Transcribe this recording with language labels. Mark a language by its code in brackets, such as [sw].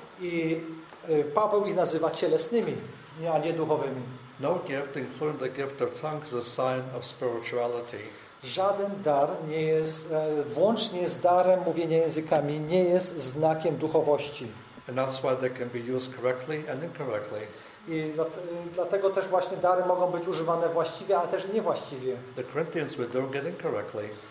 [pl] I Paweł ich nazywa cielesnymi, a nie duchowymi. [en] No gift, including the gift of tongues, is a sign of spirituality. [pl] Żaden dar nie jest, włącznie z darem mówienia językami, nie jest znakiem duchowości. [en] And that's why they can be used correctly and incorrectly. [pl] I dlatego też właśnie dary mogą być używane właściwie, a też niewłaściwie. [en] The Corinthians were doing it incorrectly.